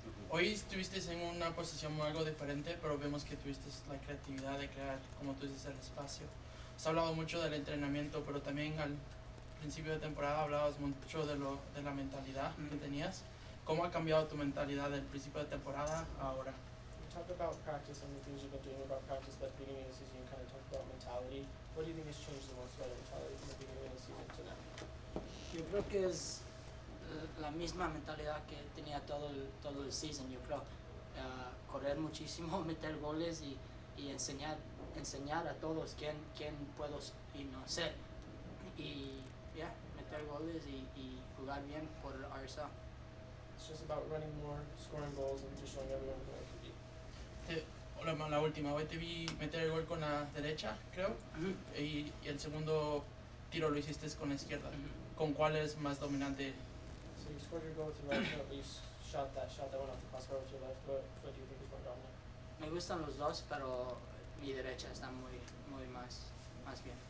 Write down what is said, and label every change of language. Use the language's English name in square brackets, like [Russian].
[Spanish] Hoy estuviste en una posición algo diferente, pero vemos que tuviste la creatividad de crear, como tú dices, el espacio. Has hablado mucho del entrenamiento, pero también al principio de temporada hablabas mucho de la mentalidad que tenías. ¿Cómo ha cambiado tu mentalidad del principio de temporada a ahora? [English] You talked about practice and the things you've been doing about practice, but at the beginning of the season, you kind of talked about mentality. What do you think has changed the most about mentality from the beginning of the season to now? [Spanish] Yo creo que es la misma mentalidad que tenía todo el season, yo creo. Correr muchísimo, meter goles y enseñar a todos quién puedo y no ser. Y, yeah, meter goles y jugar bien por RSL. [English] It's just about running more, scoring goals, and just showing everyone what I can be. [Spanish] Hola, la última. Hoy te vi meter el gol con la derecha, creo. Uh-huh. Y el segundo tiro lo hiciste con la izquierda. Uh-huh. ¿Con cuál es más dominante? [English] So you scored your goal with your right foot, but you shot that one off the crossbar with your left foot. What do you think is more dominant? [Spanish] Me gustan los dos, pero mi derecha está muy más bien.